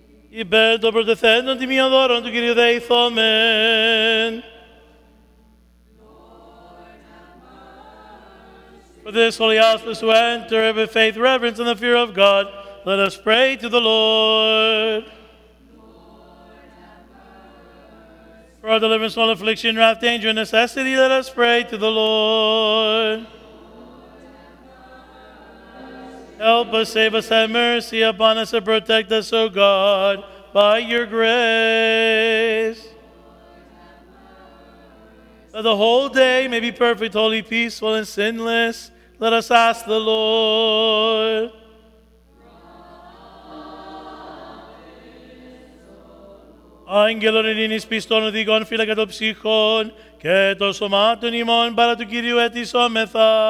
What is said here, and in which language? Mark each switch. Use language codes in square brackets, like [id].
[el] Υπέντο προτεθέντων τιμίων δώρων του Κυρίου δεηθόμεν. [en] For this holy office to enter with faith, reverence, and the fear of God, let us pray to the Lord. For our deliverance from all affliction, wrath, danger, and necessity, let us pray to the Lord. Help us, save us, have mercy upon us, and protect us, O God, by your grace. That the whole day may be perfect, holy, peaceful, and sinless, let us ask the Lord. [el] Άγγελον ειρήνης πιστών οδηγών φύλακα των ψυχών και των σωμάτων ημών παρά του Κυρίου ετησόμεθα.